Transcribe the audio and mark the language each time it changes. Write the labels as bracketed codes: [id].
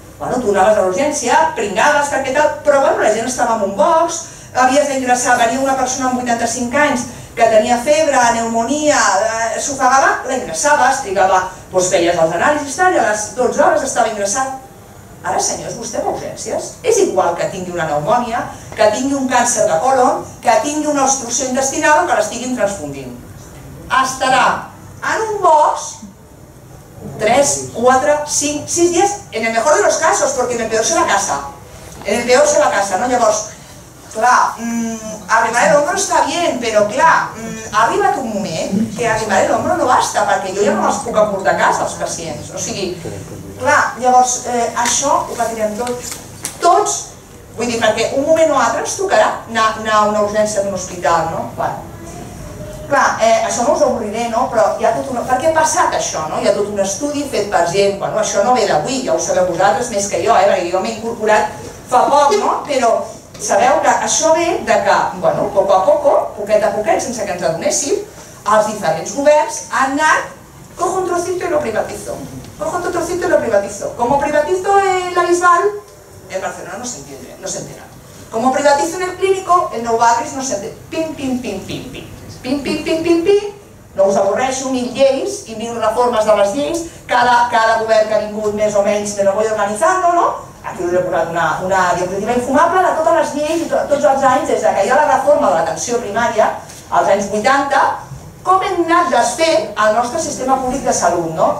[ca] Bueno, tu anaves a l'urgència, pringades, perquè tal, però bueno, la gent estava en un box, havies d'ingressar, venia una persona amb 85 anys que tenia febre, pneumonia, s'ofegava, la ingressaves, trigava, doncs feies els anàlisis, tal, i a les 12 hores estava ingressat. Ara, senyors, vostè va a urgències? És igual que tingui una pneumònia, que tingui un càncer de còlon, que tingui una obstrucció intestinal o que l'estiguin transfundint. Estarà en un box 3, 4, 5, 6 dies, [es] en el mejor de los casos, porque en el peor se va a casa. En el peor se va a casa, ¿no? [ca] Llavors, clar, arribar a l'hombro està bé, però clar, ha arribat un moment que arribar a l'hombro no basta, perquè jo ja no els puc aportar a casa, els pacients. O sigui, clar, llavors, això ho patirem tots. Tots, vull dir, perquè un moment o altre ens tocarà anar a una urgència d'un hospital, no? Clar, això no us avorriré, no? Però hi ha tot un... Per què ha passat això, no? Hi ha tot un estudi fet per gent, bueno, això no ve d'avui, ja ho sabeu vosaltres més que jo, perquè jo m'he incorporat fa poc, no? Però sabeu que això ve de que, bueno, [es] poco a poco, [ca] poquet a poquet, sense que ens adonéssim, els diferents governs han anat, [es] cojo un trocito y lo privatizo, [ca] cojo otro trocito y lo privatizo. [es] Como privatizo el Bisbal, en Barcelona no se entiende, no se entera. Como privatizo en el Clínico, el Nou Barris no se entiende. Pim, pim, pim, pim, pim. [ca] Pim, pim, pim, pim, pim, no us avorreixo, mil lleis i mil reformes de les lleis, cada govern que ha vingut més o menys [es] me lo voy organizando, [ca] no? Aquí us he posat una diapositiva infumable de totes les lleis i tots els anys, des que hi ha la reforma de l'atenció primària, als anys 80, com hem anat desfent el nostre sistema públic de salut, no?